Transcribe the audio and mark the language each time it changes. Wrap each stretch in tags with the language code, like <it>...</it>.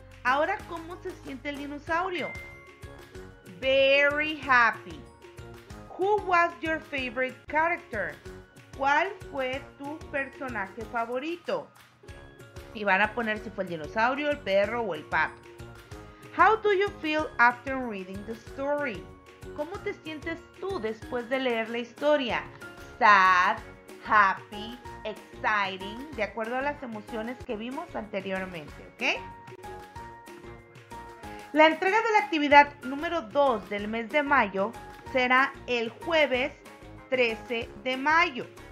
<es>Ahora, ¿cómo se siente el dinosaurio?</es> <en>Very happy. Who was your favorite character?</en> <es>¿Cuál fue tu personaje favorito? Y van a poner si fue el dinosaurio, el perro o el pato.</es> <en>How do you feel after reading the story?</en> <es>¿Cómo te sientes tú después de leer la historia? Sad.</es> <en>Happy, exciting,</en> <es>de acuerdo a las emociones que vimos anteriormente, ¿ok? La entrega de la actividad número 2 del mes de mayo será el jueves 13 de mayo.</es>